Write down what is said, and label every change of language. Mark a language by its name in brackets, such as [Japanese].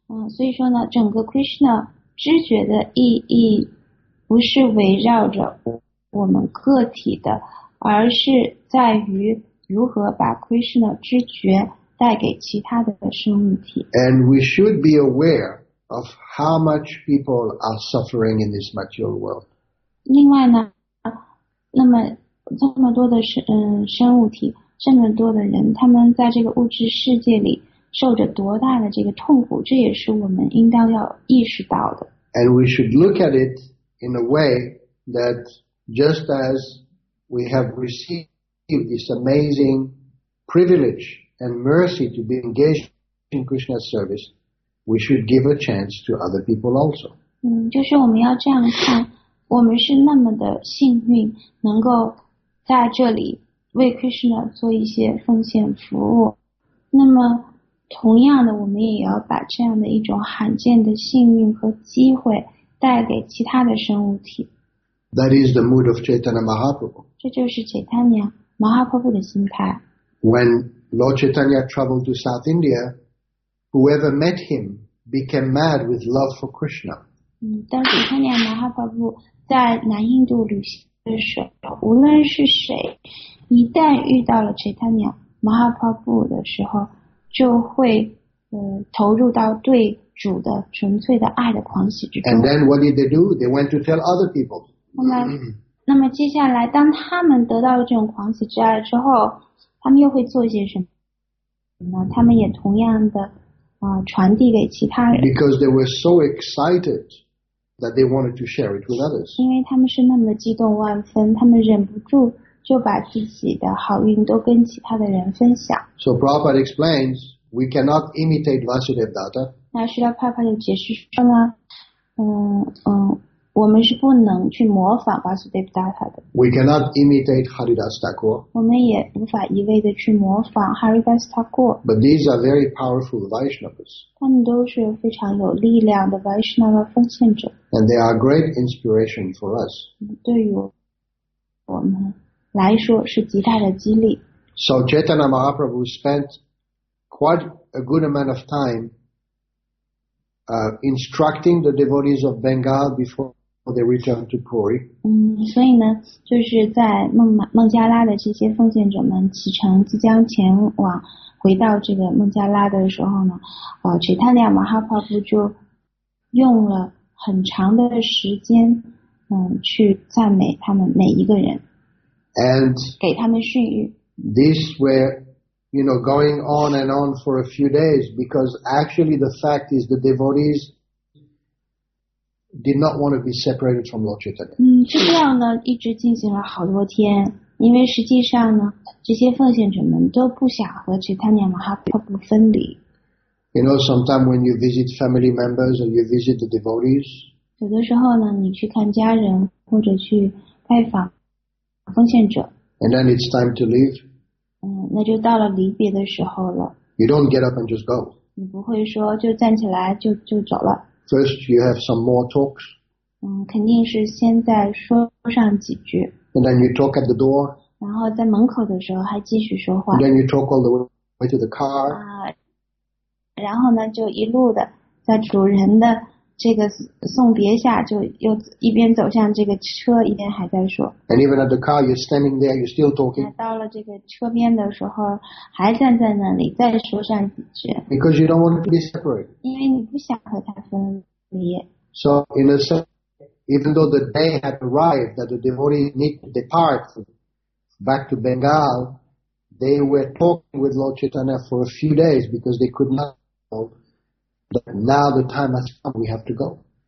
[Chinese] 所以说呢，整个 Krishna 知觉的意义不是围绕着我们个体的，而是在于如何把 Krishna 知觉带给其他的生命体。 [English] And we should be aware of how much people are suffering in this material world. [Chinese] 另外呢，那么这么多的生物体，这么多的人，他们在这个物质世界里受着多大的这个痛苦，这也是我们应当要意识到的。 [English] And we should look at it in a way that just as we have received this amazing privilege and mercy to be engaged in Krishna's service, we should give a chance to other people also. [Chinese] 就是我们要这样看，我们是那么的幸运，能够在这里为 Krishna 做一些奉献服务。那么同样的，我们也要把这样的一种罕见的幸运和机会带给其他的生物体。 [English] That is the mood of Chaitanya Mahaprabhu. [Chinese] 这就是 Chaitanya Mahaprabhu 的心态。 [English] When Lord Chaitanya traveled to South India, whoever met him became mad with love for Krishna. [Chinese] 当 Chaitanya Mahaprabhu 在南印度旅行的时候，无论是谁，一旦遇到了 Chaitanya Mahaprabhu 的时候，就会投入到对主的纯粹的爱的狂喜之中。 [English] And then what did they do? They went to tell other people. [Chinese] 那么接下来，当他们得到了这种狂喜之爱之后，他们又会做些什么？他们也同样的传递给其他人。 [English] Because they were so excited that they wanted to share it with others. [Chinese] 因为他们是那么的激动万分，他们忍不住就把自己的好运都跟其他的人分享。 [English] So Prabhupada explains, we cannot imitate Vasudevdatta. [Chinese] 那释迦牟尼佛就解释说呢，我们是不能去模仿 Vasudevdatta 的。 [English] We cannot imitate Haridas Thakur. [Chinese] 我们也无法一味的去模仿 Haridas Thakur. [English] But these are very powerful Vaishnavas. [Chinese] 他们都是非常有力量的 Vaishnava 奉献者。 [English] And they are great inspiration for us. [Chinese] 对于我们来说是极大的激励。 [English] So Chaitanya Mahaprabhu spent quite a good amount of time instructing the devotees of Bengal before they return to Puri. [Chinese] 所以呢，就是在孟加拉的这些奉献者们启程即将前往回到这个孟加拉的时候呢，Chaitanya Mahaprabhu 就用了很长的时间，去赞美他们每一个人， [English] and [Chinese] 给他们训谕。 [English] This were, you know, going on and on for a few days, because actually the fact is the devotees did not want to be separated from Lord Chaitanya. [Chinese] 就这样呢，一直进行了好多天，因为实际上呢，这些奉献者们都不想和 Chaitanya Mahaprabhu 分离。 [English] You know, sometimes when you visit family members or you visit the devotees, [Chinese] 有的时候呢，你去看家人或者去拜访奉献者， [English] and then it's time to leave. [Chinese] 那就到了离别的时候了。 [English] You don't get up and just go. [Chinese] 你不会说就站起来就走了。 [English] First, you have some more talks. [Chinese] 肯定是先在说上几句。 [English] And then you talk at the door. [Chinese] 然后在门口的时候还继续说话。 [English] And then you talk all the way to the car. [Chinese] 然后呢，就一路的在主人的这个送别下，就又一边走向这个车，一边还在说。 [English] And even at the car, you're standing there, you're still talking. [Chinese] 到了这个车边的时候，还站在那里，再说上几句。 [English] Because you don't want to be separated. [Chinese] 因为你不想和他分离。 [English] So in a sense, even though the day had arrived that the devotees need to depart back to Bengal, they were talking with Lord Chaitanya for a few days because they could not go. But now the time has come, we have to go.